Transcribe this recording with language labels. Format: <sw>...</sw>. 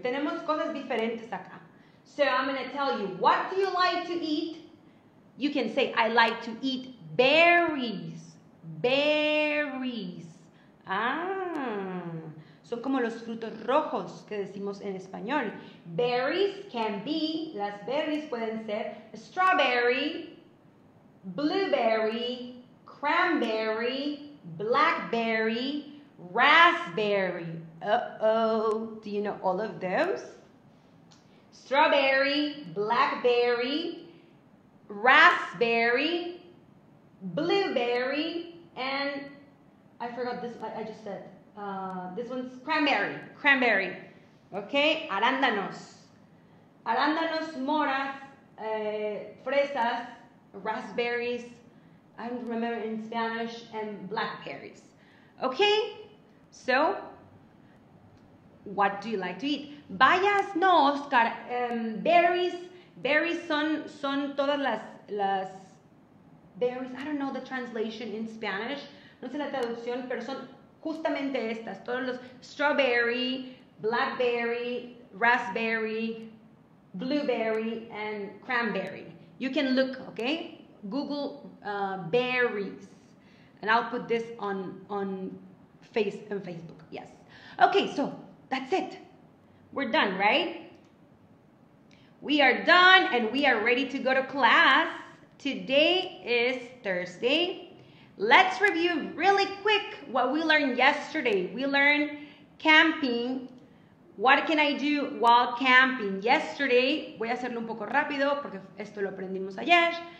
<es>Tenemos cosas diferentes acá.</es> <en>So I'm going to tell you, what do you like to eat? You can say, I like to eat berries. Berries. Ah.</en> <es>Son como los frutos rojos que decimos en español.</es> <en>Berries can be,</en> <es>las berries pueden ser</es> <en>strawberry, blueberry, cranberry, blackberry, raspberry. Uh-oh, do you know all of those? Strawberry, blackberry, raspberry, blueberry, and I forgot this, I just said, this one's cranberry. Okay,</en> <es>arándanos. Arándanos, moras, fresas,</es> <en>raspberries, I don't remember in Spanish, and blackberries. Okay, so what do you like to eat?</en> <es>Bayas, no,</es> <en>Oscar, berries.</en> <es>Berries son todas las berries.</es> <en>I don't know the translation in Spanish.</en> <es>No sé la traducción, pero son justamente estas. Todos los</es> <en>strawberry, blackberry, raspberry, blueberry, and cranberry. You can look, okay? Google berries. And I'll put this on Facebook. Yes. Okay, so that's it. We're done, right? We are done and we are ready to go to class. Today is Thursday. Let's review really quick what we learned yesterday. We learned camping. What can I do while camping?</en> <es>Yesterday, voy a hacerlo un poco rápido porque esto lo aprendimos ayer.</es>